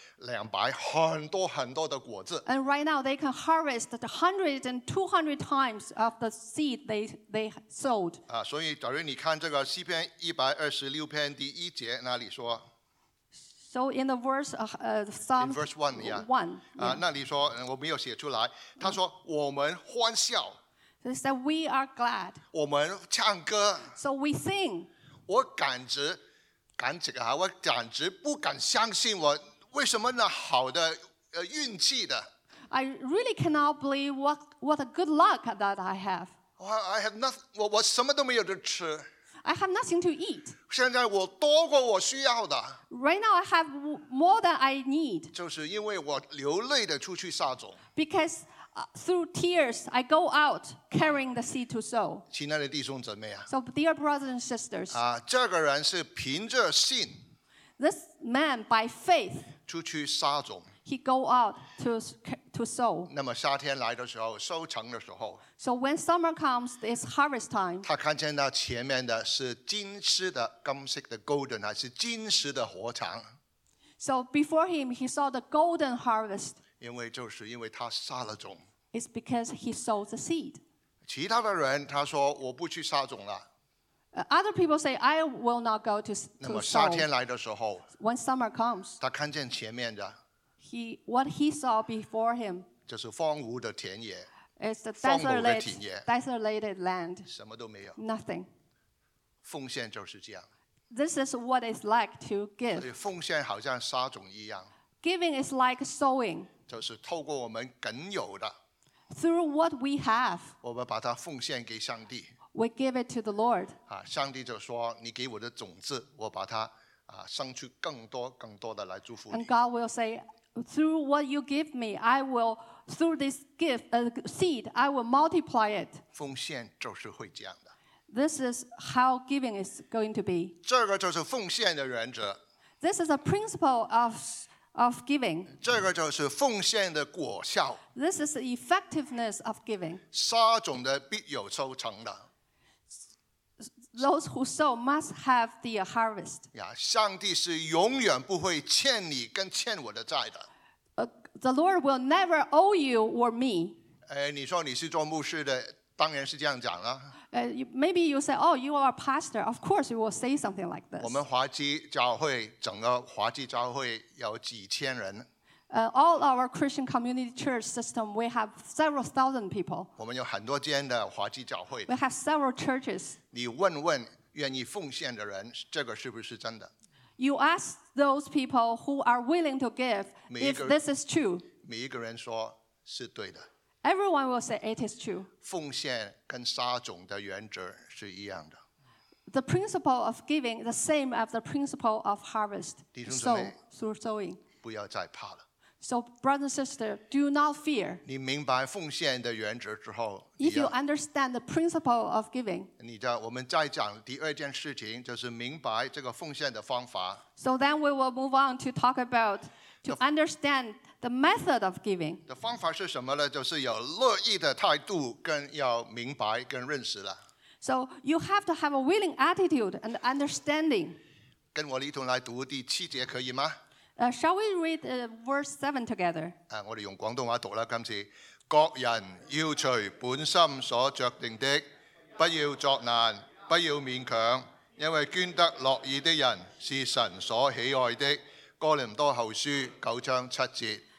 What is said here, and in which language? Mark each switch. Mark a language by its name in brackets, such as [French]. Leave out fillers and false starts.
[Chinese] 两百很多很多的果子。 [English] And right now they can harvest 100 and 200 times of the seed they sowed. [Chinese] 啊，所以假如你看这个诗篇126篇第一节那里说。 [English] So in the verse Psalm verse 1, yeah. [Chinese] 那里说我没有写出来。他说我们欢笑。 [English] They said we are glad. [Chinese] 我们唱歌。 [English] So we sing. [Chinese] 我简直不敢相信我。为什么呢？好的，运气的。 [English] I really cannot believe what a good luck that I have. I have nothing. [Chinese] 我什么都没有的吃。 [English] I have nothing to eat. [Chinese] 现在我多过我需要的。 [English] Right now I have more than I need. [Chinese] 就是因为我流泪的出去撒种。 [English] Because through tears I go out carrying the seed to sow. [Chinese] 亲爱的弟兄姊妹啊。 [English] So dear brothers and sisters. [Chinese] 啊，这个人是凭着信。 [English] This man by faith, [Chinese] 出去撒种 [English] he go out to sow. [Chinese] 那么夏天来的时候，收成的时候 [English] ，so when summer comes, it's harvest time. [Chinese] 他看见那前面的是金色的、金色的 golden 还是金色的火场 [English] ？So before him, he saw the golden harvest. [Chinese] 因为就是因为他撒了种 [English] ，it's because he sowed the seed. [Chinese] 其他的人他说我不去撒种了。 [English] Other people say, I will not go to sow. [Chinese] 那么夏天来的时候 [English] when summer comes, [Chinese] 他看见前面的 [English] what he saw before him, [Chinese] 就是荒芜的田野 [English] it's the desolated land, [Chinese] 什么都没有 [English] nothing. [Chinese] 奉献就是这样 [English] this is what it's like to give. [Chinese] 所以奉献好像撒种一样 [English] giving is like sowing, [Chinese] 就是透过我们仅有的 [English] through what we have, [Chinese] 我们把它奉献给上帝 [English] We give it to the Lord. [Chinese] 上帝就说你给我的种子我把它生出更多更多的来祝福你。 [English] And God will say, through what you give me, I will, through this gift, seed, I will multiply it. [Chinese] 奉献就是会这样的。 [English] This is how giving is going to be. [Chinese] 这个就是奉献的原则。 [English] This is a principle of giving. [Chinese] 这个就是奉献的果效。 [English] This is the effectiveness of giving. [Chinese] 撒种的必有收成的。 [English] Those who sow must have the harvest. [Chinese] Yeah, 上帝是永远不会欠你跟欠我的债的。 [English] The Lord will never owe you or me. [Chinese] 哎，你说你是做牧师的，当然是这样讲了。 [English] Maybe you say, oh, you are a pastor. Of course, you will say something like this. [Chinese] 我们华基教会整个华基教会有几千人。 [English] All our Christian community church system, we have several thousand people. [Chinese] 我们有很多间的华基教会。 [English] We have several churches. [Chinese] 你问问愿意奉献的人，这个是不是真的？ [English] You ask those people who are willing to give if this is true. [Chinese] 每一个人说是对的。 [English] Everyone will say it is true. [Chinese] 奉献跟撒种的原则是一样的。 [English] The principle of giving is the same as the principle of harvest. [Chinese] 弟兄姊妹 [English] through sowing. [Chinese] 不要再怕了。 [English] So, brother and sister, do not fear. [Chinese] 你明白奉献的原则之后 [English] If you understand the principle of giving, [Chinese] 你的我们再讲第二件事情就是明白这个奉献的方法 [English] So then we will move on to talk about, to understand the method of giving. [Chinese] 的方法是什么呢就是有乐意的态度跟要明白跟认识了 [English] So you have to have a willing attitude and understanding. [Chinese] 跟我一同来读第七节可以吗 [English] Shall we read verse 7 together? [Chinese] 我们用广东话读了今次各人要随本心所决定的不要作难不要勉强因为捐得乐意的人是神所喜爱的哥林多后书九章七节